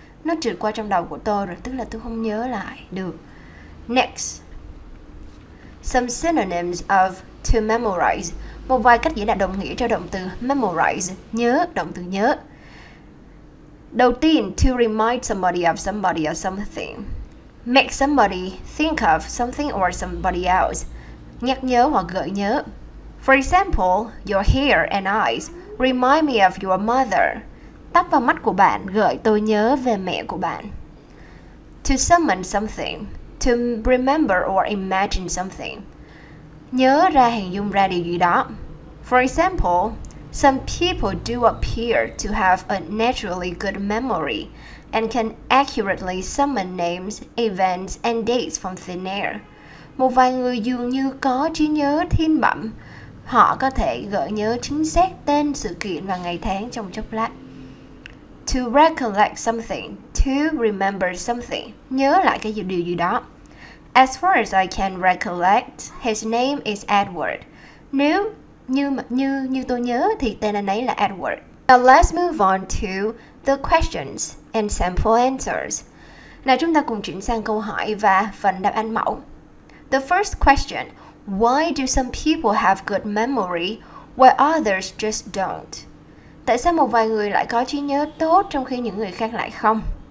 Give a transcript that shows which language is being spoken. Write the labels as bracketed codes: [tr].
[vi] Nó trượt qua trong đầu của tôi rồi, tức là tôi không nhớ lại được. [en] Next. Some synonyms of to memorize. [vi] Một vài cách diễn đạt đồng nghĩa cho động từ memorize, nhớ, động từ nhớ. Đầu tiên, [en] to remind somebody of something. Make somebody think of something or somebody else. [vi] Nhắc nhớ hoặc gợi nhớ. [en] For example, your hair and eyes remind me of your mother. [vi] Tóc và mắt của bạn gợi tôi nhớ về mẹ của bạn. [en] To summon something, to remember or imagine something. [vi] Nhớ ra, hình dung ra điều gì đó. [en] For example, some people do appear to have a naturally good memory and can accurately summon names, events, and dates from thin air. [vi] Một vài người dường như có trí nhớ thiên bẩm. Họ có thể gợi nhớ chính xác tên sự kiện và ngày tháng trong chốc lát. [en] To recollect something, to remember something. [vi] Nhớ lại cái gì, điều gì đó. [en] As far as I can recollect, his name is Edward. [vi] Nếu như tôi nhớ thì tên anh ấy là Edward. [en] Now let's move on to the questions and sample answers. [vi] Nào chúng ta cùng chuyển sang câu hỏi và phần đáp án mẫu. [en] The first question: Why do some people have good memory while others just don't? [vi] Tại sao một vài người lại có trí nhớ tốt trong khi những người khác lại không?